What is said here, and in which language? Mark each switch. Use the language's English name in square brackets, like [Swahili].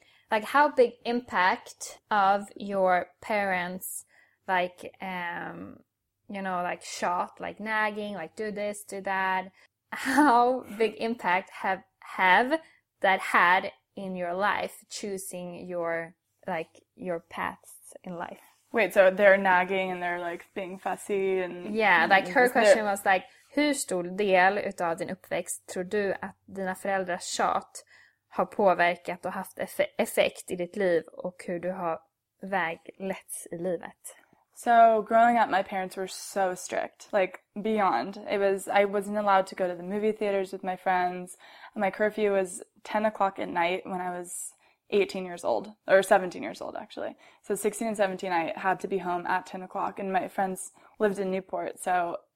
[English] Like, how big impact of your parents, like, you know, like, shot, like, nagging, like, do this, do that. How big impact have that had in your life, choosing your, like, your paths in life? Wait, so they're nagging and they're, like, being fussy and... Yeah, like, her question was, like... [Swedish] Hur stor del utav din uppväxt tror du att dina föräldrars tjat har påverkat och haft effekt i ditt liv och hur du har väglätts i livet? [English] So growing up, my parents were so strict, like beyond. I wasn't allowed to go to the movie theaters with my friends. My curfew was 10 o'clock at night when I was 18 years old, or 17 years old actually. So 16 and 17, I had to be home at 10 o'clock, and my friends lived in Newport, so...